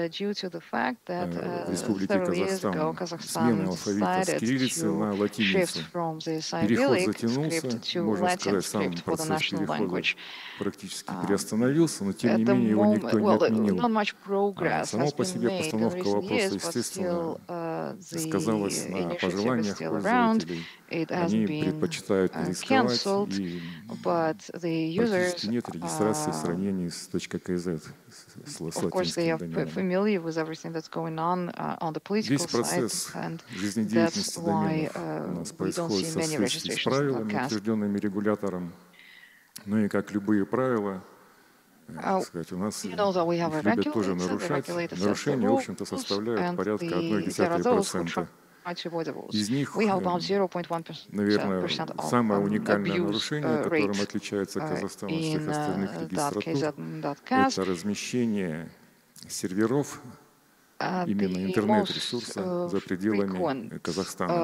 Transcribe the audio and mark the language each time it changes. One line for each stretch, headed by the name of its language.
English: due to the fact that several years ago Kazakhstan decided to shift from the Cyrillic script to Latin script for the national language.
Russian: Практически приостановился, но тем не менее его никто не отменил. Само по себе постановка вопроса, естественно, сказалась на пожеланиях пользователей. Они предпочитают не рисковать, и практически нет регистрации в сравнении с .kz.
English: Of course, they are familiar with everything that's going on the political side, and that's why we don't see many registrations in CAS.
Russian: Ну и как любые правила, сказать, у нас любят тоже нарушать. Нарушения, в общем-то, составляют порядка 0,1%. Из них, наверное, самое уникальное нарушение, которым отличается Казахстан от всех остальных регистратур, это размещение серверов, именно интернет-ресурса за пределами Казахстана.